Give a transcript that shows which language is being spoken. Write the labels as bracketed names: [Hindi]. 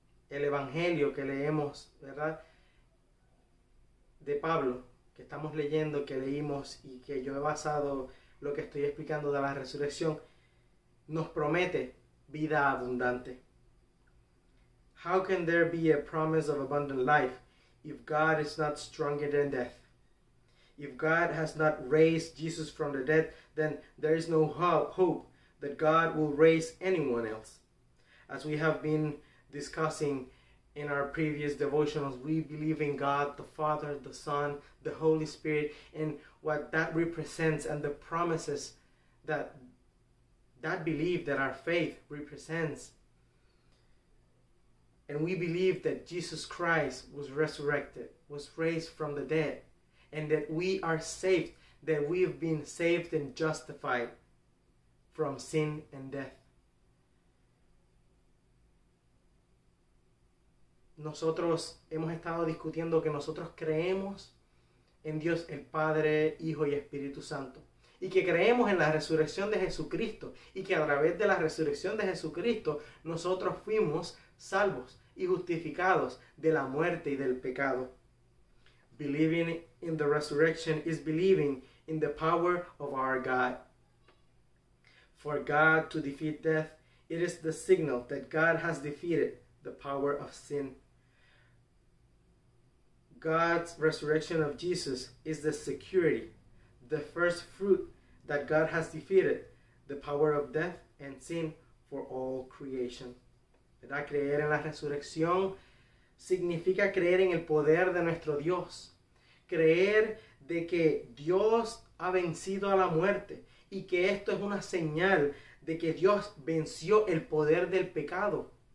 [Spanish] El evangelio que leemos, ¿verdad? De Pablo, que estamos leyendo, que leímos y que yo he basado lo que estoy explicando de la resurrección, nos promete vida abundante. [English] How can there be a promise of abundant life if God is not stronger than death? If God has not raised Jesus from the dead, then there is no hope that God will raise anyone else. As we have been discussing in our previous devotionals, we believe in God, the Father, the Son, the Holy Spirit, and what that represents and the promises that belief, that our faith represents. And we believe that Jesus Christ was resurrected, was raised from the dead, and that we are saved, that we have been saved and justified from sin and death. [Spanish] Nosotros hemos estado discutiendo que nosotros creemos en Dios el Padre, Hijo y Espíritu Santo. y que creemos en la resurrección de Jesucristo y que a través de la resurrección de Jesucristo nosotros fuimos salvos y justificados de la muerte y del pecado. [English] Believing in the resurrection is believing in the power of our God. For God to defeat death, it is the signal that God has defeated the power of sin. God's resurrection of Jesus is the security, the first fruit that God has defeated the power of death and sin for all creation. [Spanish] ¿Verdad? Creer en la resurrección significa creer en el poder de nuestro Dios. Creer de que Dios ha vencido a la muerte y que esto es una señal de que Dios venció el poder del pecado.